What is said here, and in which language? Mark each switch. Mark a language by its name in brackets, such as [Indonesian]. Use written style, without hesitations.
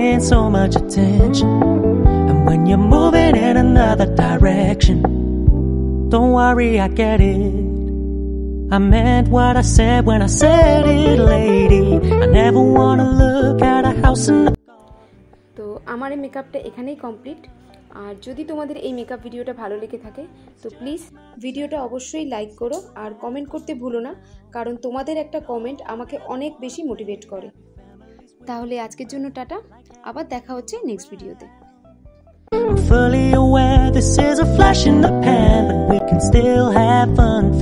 [English] So much attention, and when you're moving in another direction, don't worry, I get it. I meant what I said when I said it, lady. I never want to look at a house in the [Bangla] তো আমার এই মেকআপটা এখানেই complete. আর যদি তোমাদের এই makeup ভিডিওটা ভালো লেগে থাকে তো প্লিজ ভিডিওটা অবশ্যই লাইক করো, আর কমেন্ট করতে ভুলো না, কারণ তোমাদের একটা কমেন্ট আমাকে অনেক বেশি মোটিভেট করে। তাহলে আজকের জন্য টাটা, আবার দেখা হচ্ছে নেক্সট ভিডিওতে। [English] I'm fully aware this is a flash in the pan, but we can still have fun.